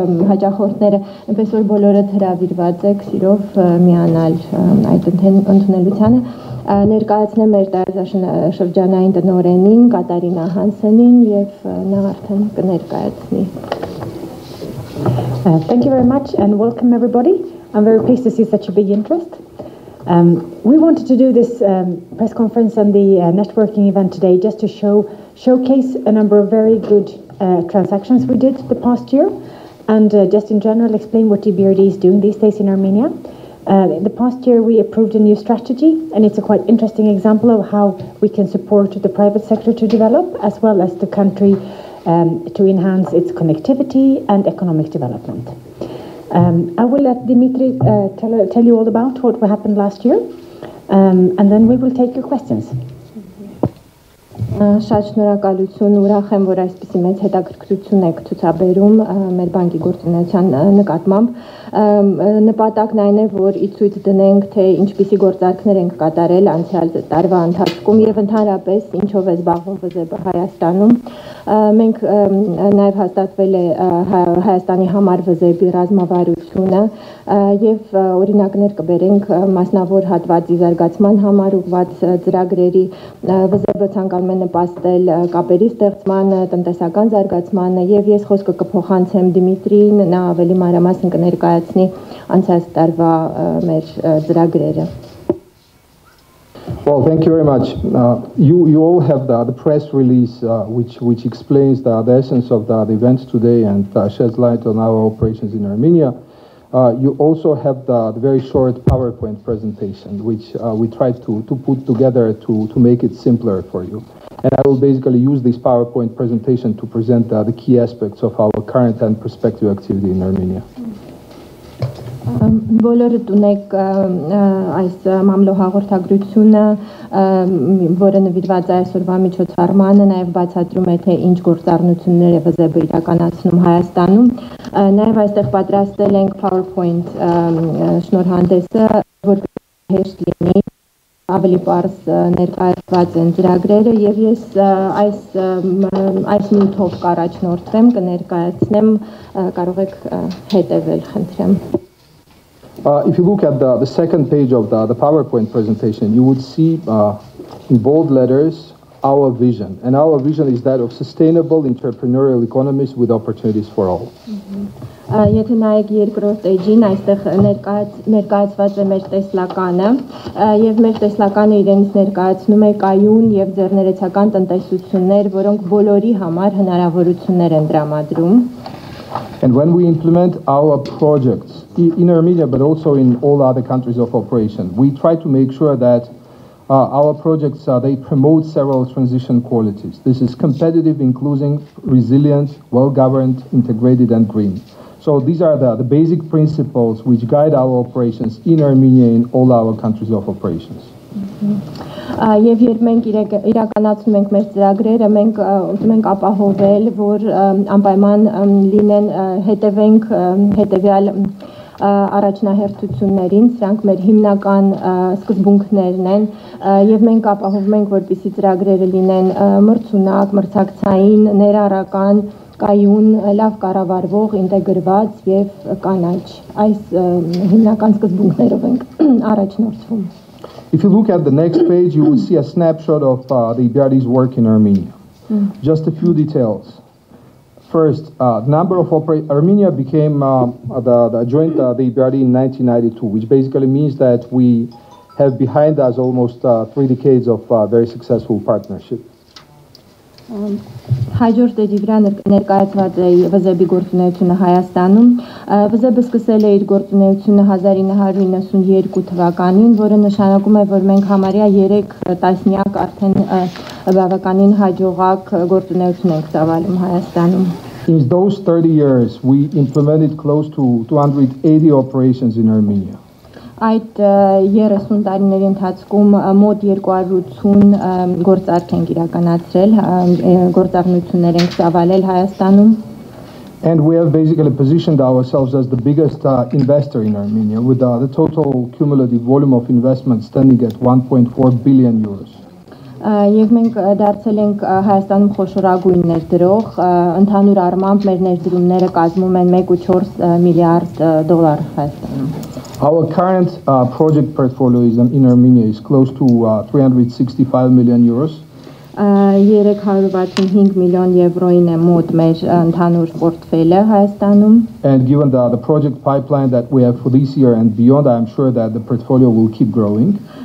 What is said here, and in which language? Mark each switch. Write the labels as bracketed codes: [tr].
[hy] հաճախորդները, այնպես որ բոլորը հրավիրված եք սիրով միանալ այդ ընդունելությանը։ Ներկայացնեմ մեր դարձաշրջանային տնօրենին, Կատարինա Հանսենին, և նա արդեն կներկայացնի։ [en] Thank you very much and welcome everybody. I'm very pleased to see such a big interest. We wanted to do this press conference and the networking event today just to showcase a number of very good transactions we did the past year, and just in general explain what EBRD is doing these days in Armenia. In the past year we approved a new strategy, and it's a quite interesting example of how we can support the private sector to develop as well as the country to enhance its connectivity and economic development. I will let Dimitri tell you all about what happened last year, and then we will take your questions. [hy] Շատ շնորհակալություն, ուրախ եմ, որ այսպիսի մեծ հետաքրքրություն եք ցուցաբերում մեր բանկի գործունեության նկատմամբ։ Նպատակն այն է, որ ի ցույց դնենք, թե ինչպիսի գործարքներ ենք կատարել անցյալ տարվա ընթացքում և ընդհանրապես ինչով է զբաղվում ՎԶԵԲ-ը Հայաստանում։ Մենք նաև հաստատվել է Հայաստանի համար ՎԶԵԲ-ի ռազմավարությունը, և օրինակներ կբերենք մասնավոր հատվածի զարգացման համար ուղղված ծրագրերի, ՎԶԵԲ-ը ցանկանում է նպաստել կապերի ստեղծմանը, տնտեսական զարգացմանը, և ես խոսքը կփոխանցեմ Դիմիտրին, նա ավելի մանրամասն կներկայացնի անցյալ տարվա մեր ծրագրերը։ [en] Well, thank you very much. You all have the press release which explains the essence of the events today and sheds light on our operations in Armenia. You also have the very short PowerPoint presentation which we tried to put together to make it simpler for you. And I will basically use this PowerPoint presentation to present the key aspects of our current and prospective activity in Armenia. [hy] Բոլորը տունեք այս մամլո հաղորդագրությունը, որը նվիրված այսօրվա միջոցառմանը, նաև բացատրում է, թե ինչ գործառնություններ է ՎԶԵԲ-ը իրականացնում Հայաստանում, նաև այստեղ պատրաստել ենք PowerPoint շնորհանդեսը, որ հեշտ լինի, ավելի պարզ ներկայացված են ծրագրերը, և ես այս նյութով կառաջնորդվեմ, կներկայացնեմ, կարող եք հետևել, խնդրեմ։ [en] If you look at the second page of the PowerPoint presentation, you would see in bold letters our vision. And our vision is that of sustainable entrepreneurial economies with opportunities for all. [hy] Եթե նայեք երկրորդ էջին, այստեղ ներկայացված է մեր տեսլականը, և մեր տեսլականը իրենից ներկայացնում է կայուն և ձեռներեցական տնտեսություններ, որոնք բոլորի համար հնարավորություններ են դրամադրում։ [en] And when we implement our projects in Armenia, but also in all other countries of operation, we try to make sure that our projects they promote several transition qualities. This is competitive, inclusive, resilient, well-governed, integrated, and green. So these are the basic principles which guide our operations in Armenia in all our countries of operations. [hy] Եվ երբ մենք իրականացնում ենք մեր ծրագրերը, մենք ուզում ենք ապահովել, որ անպայման լինեն հետևյալ առաջնահերթություններին, սրանք մեր հիմնական սկզբունքներն են, և մենք ապահովում ենք, որպեսզի ծրագրերը լինեն մրցունակ, մրցակցային, ներառական, կայուն, լավ կառավարվող, ինտեգրված և կանաչ. Այս հիմնական սկզբունքներով ենք առաջնորդվում։ [en] If you look at the next page, you will see a snapshot of the EBRD's work in Armenia. Just a few details. First, number of Armenia became the joint the EBRD in 1992, which basically means that we have behind us almost three decades of very successful partnership. [hy] Հաջորդ էջի վրա ներկայացված է ՎԶԵԲ-ի գործունեությունը Հայաստանում։ ՎԶԵԲ-ը սկսել է իր գործունեությունը 1992 թվականին, որը նշանակում է, որ մենք համարյա 3 տասնյակ արդեն բավականին հաջողակ գործունեություն ենք ծավալում Հայաստանում։ [en] In those 30 years, we implemented close to 280 operations in Armenia. [hy] Այդ 30 տարիների ընթացքում մոտ 280 գործարք ենք իրականացրել, գործառնություններ ենք ծավալել Հայաստանում։ [en] And we have basically positioned ourselves as the biggest investor in Armenia, with the total cumulative volume of investment standing at 1.4 billion euros. [hy] Եվ մենք դարձել ենք Հայաստանում խոշորագույն ներդրող, ընդհանուր առմամբ մեր ներդրումները կազմում են 1.4 միլիարդ դոլար Հայաստանում. [en] Our current project portfolio in Armenia is close to 365 million euros. [hy] 365 միլիոն եվրոյն է մոտ մեր ընդհանուր պորտֆելը Հայաստանում. [en] And given the project pipeline that we have for this year and beyond, I'm sure that the portfolio will keep growing.